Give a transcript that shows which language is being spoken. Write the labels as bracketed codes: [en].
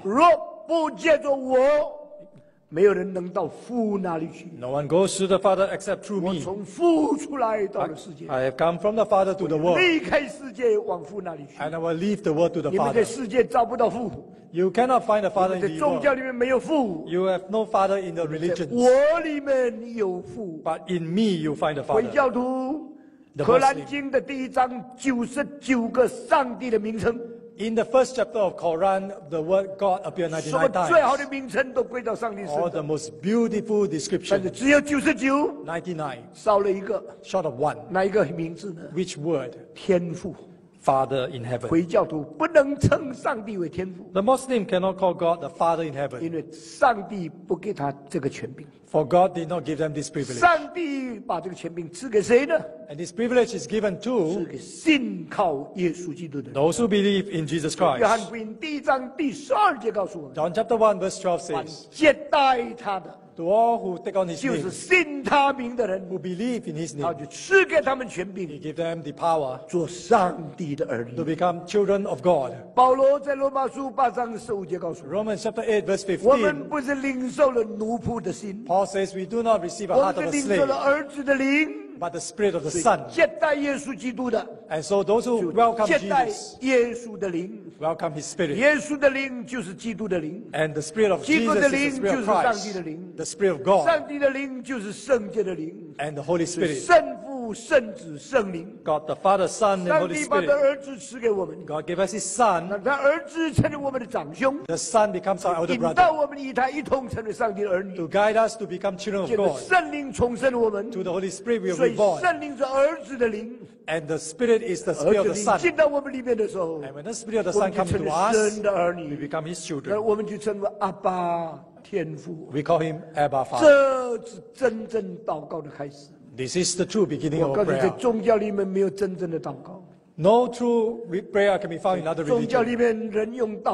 [zh] 若不借着我, 没有人能到父那里去, [en] no one goes to the Father except through me. [zh] 我从父出来到了世界, [en] I have come from the Father to the world. [zh] 离开世界往父那里去, [en] and I will leave the world to the Father. [zh] 你们在世界找不到父, [en] you cannot find the Father in the world. [zh] 你们在宗教里面没有父, [en] you have no Father in the religion. [zh] 我里面有父, [en] but in me you find the Father. [zh] 回教徒, 可兰经的第一章99个上帝的名称, [en] in the first chapter of Quran, the word God appeared 99 times. All the most beautiful description. [zh] 99, 少了一个, [en] short of one. [zh] 哪一个名字呢? [en] Which word? [zh] 天父, [en] Father in heaven. [zh] 回教徒不能称上帝为天父, [en] the Muslim cannot call God the Father in heaven. [zh] 因为上帝不给他这个权柄, [en] for God did not give them this privilege. [zh] 上帝把这个权柄赐给谁呢? [en] And this privilege is given to [zh] 是给信靠耶稣基督的人, [en] those who believe in Jesus Christ. [zh] 约翰福音第一章第十二节告诉我们, [en] John chapter 1 verse 12 says, [zh] 接待他的, [en] to all who take on his name, [zh] 就是信他名的人, [en] who believe in his name, [zh] 就赐给他们权柄, [en] he give them the power [zh] 做上帝的儿女, [en] to become children of God. [zh] 保罗在罗马书八章十五节告诉我们, [en] Romans chapter 8 verse 15, [zh] 我们不是领受了奴仆的心, [en] Paul says we do not receive a heart of a slave, [zh] 我们领受了儿子的灵, [en] but the spirit of the son. [zh] 接待耶稣基督的, [en] and so those who welcome Jesus, welcome his spirit. [zh] 耶稣的灵就是基督的灵, [en] and the spirit of Jesus is the spirit of Christ, the spirit of God. [zh] 上帝的灵就是圣洁的灵, [en] and the Holy Spirit. [zh] 圣父, 圣子, 圣灵, [en] God the Father, Son, and Holy Spirit. [zh] 上帝把他儿子赐给我们, [en] God gave us his son. [zh] 让他儿子成为我们的长兄, [en] the son becomes our elder brother. [zh] 引导我们与他一同成为上帝的儿女, [en] to guide us to become children of God. [zh] 圣灵重生我们, [en] to the Holy Spirit we are. [zh] 所以圣灵是儿子的灵, [en] and the spirit is the spirit of the son. [zh] 进到我们里面的时候, [en] and when the spirit of the son comes to us, we become his children. [zh] 我们就称为阿爸, 天父, [en] we call him Abba Father. [zh] 这是真正祷告的开始, [en] this is the true beginning of prayer. [zh] 我告诉你，在宗教里面没有真正的祷告, [en] no true prayer can be found in other religions.